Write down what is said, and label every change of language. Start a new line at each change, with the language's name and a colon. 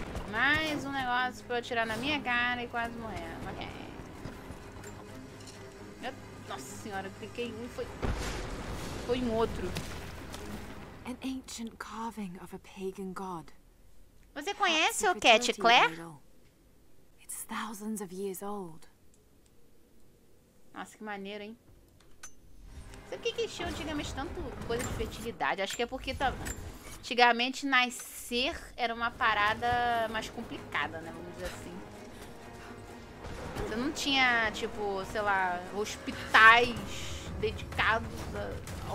Portuguese: Mais um negócio pra eu tirar na minha cara e quase morrer. Ok. Nossa senhora, eu cliquei em um e foi. Foi um outro.
English: An ancient carving of a pagan god.
Portuguese: Você conhece o Cat Claire?
English: It's thousands of years old.
Portuguese: Nossa, que maneiro, hein? Sabe por que eles tinham antigamente tanto coisa de fertilidade? Acho que é porque antigamente nascer era uma parada mais complicada, né? Vamos dizer assim. Você não tinha, tipo, sei lá, hospitais dedicados a.